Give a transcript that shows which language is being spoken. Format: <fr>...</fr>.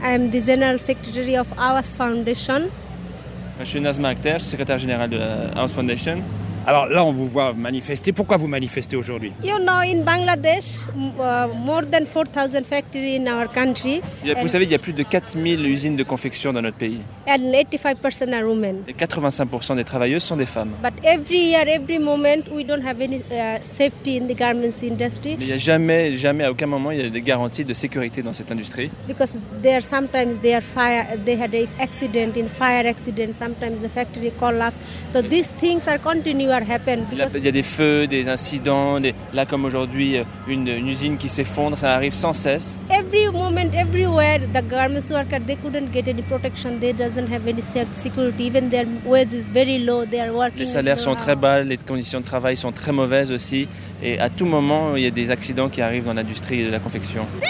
<en>I am the General Secretary of Awas Foundation.</en> <fr>Je suis Nazma Akhter, secrétaire générale de Awas Foundation. Alors là, on vous voit manifester. Pourquoi vous manifestez aujourd'hui?</fr> <en>You know, in Bangladesh, more than 4,000 factories in our country.</en> <fr>Vous savez, il y a plus de 4,000 usines de confection dans notre pays.</fr> <en>And 85% are women.</en> <fr>Et 85% des travailleuses sont des femmes.</fr> <en>But every year, every moment, we don't have any safety in the garments industry.</en> <fr>Mais il n'y a jamais, jamais, à aucun moment, il y a des garanties de sécurité dans cette industrie.</fr> <en>Because there sometimes there fire, they had an accident, in fire accident, sometimes the factory collapse. So these things are continuing.</en> <fr>Il y a des feux, des incidents, là comme aujourd'hui, une usine qui s'effondre, ça arrive sans cesse.</fr> <en>Every moment, everywhere, the garments worker they couldn't get any protection. They doesn't have any safe security. Even their wages is very low. They are working.</en> <fr>Les salaires sont très bas, les conditions de travail sont très mauvaises aussi. Et à tout moment, il y a des accidents qui arrivent dans l'industrie de la confection.</fr>